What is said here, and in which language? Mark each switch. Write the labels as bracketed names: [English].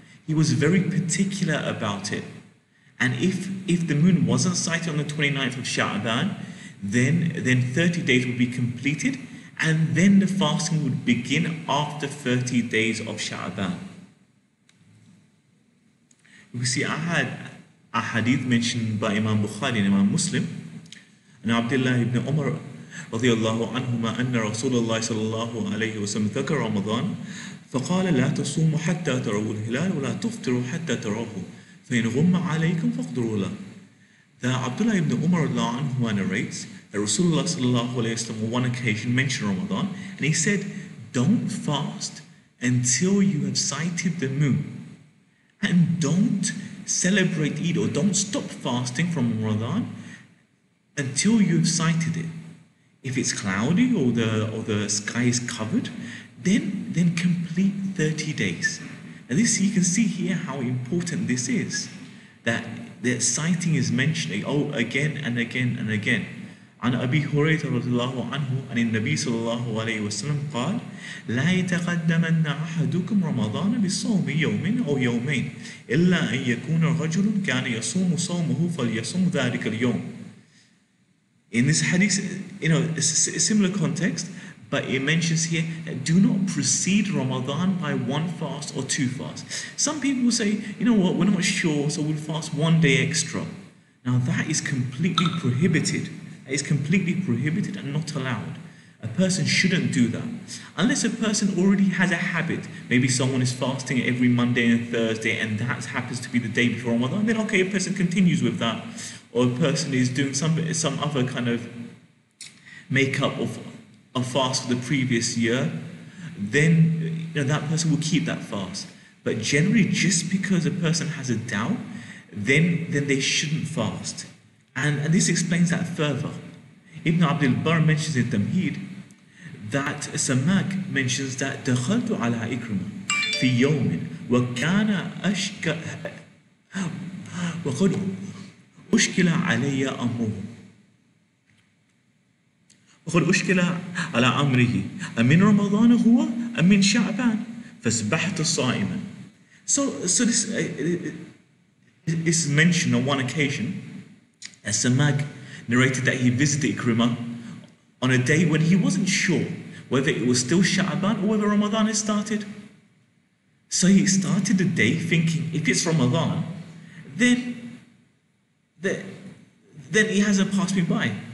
[English] He was very particular about it. And if the moon wasn't sighted on the 29th of Sha'ban, then 30 days would be completed. And then the fasting would begin after 30 days of Sha'ban. We see a hadith mentioned by Imam Bukhari and Imam Muslim [Arabic] And Abdullah ibn Umar radiallahu anhuma anna Rasulullah sallallahu alayhi wa sallam thakar Ramadan فقال لا تصوموا حتى تروا الهلال ولا تفطروا حتى تروه فإن غم عليكم فاقدروا له. [English] The Abdullah ibn Umar radiallahu anhuma narrates that Rasulullah sallallahu alayhi wa sallam on one occasion mentioned Ramadan and he said, don't fast until you have sighted the moon and don't celebrate Eid or don't stop fasting from Ramadan until you've sighted it. If it's cloudy or the sky is covered, then complete 30 days. And this, you can see here how important this is, that sighting is mentioned again and again and again. [Arabic] عن أبي هريرة رضي الله عنه عن النبي صلى الله عليه وسلم قال لا يتقدمن أحدكم رمضان بصوم يوم أو يومين إلا أن يكون رجل كان يصوم صومه فليصوم ذلك اليوم. [English] In this hadith, you know, it's a similar context, but it mentions here that do not precede Ramadan by one fast or two fasts. Some people say, you know what, we're not sure, so we'll fast one day extra. Now that is completely prohibited. It's completely prohibited and not allowed. A person shouldn't do that. Unless a person already has a habit, maybe someone is fasting every Monday and Thursday and that happens to be the day before Ramadan, then okay, a person continues with that. Or a person is doing some other kind of makeup of a fast for the previous year, then you know, that person will keep that fast. But generally, just because a person has a doubt, then they shouldn't fast. And this explains that further. Ibn Abdul Barr mentions in Tamheed that Samak mentions that [Arabic] دخلت على إكرمة في يوم وكان أشك وقد أشكل علي أمره وقد أشكل على أمره أمن رمضان هو أمن شعبان فسبحت صائما. [English] So this is mentioned on one occasion. As Samag narrated that he visited Ikrimah on a day when he wasn't sure whether it was still Sha'ban or whether Ramadan had started. So he started the day thinking, if it's Ramadan, then he hasn't passed me by.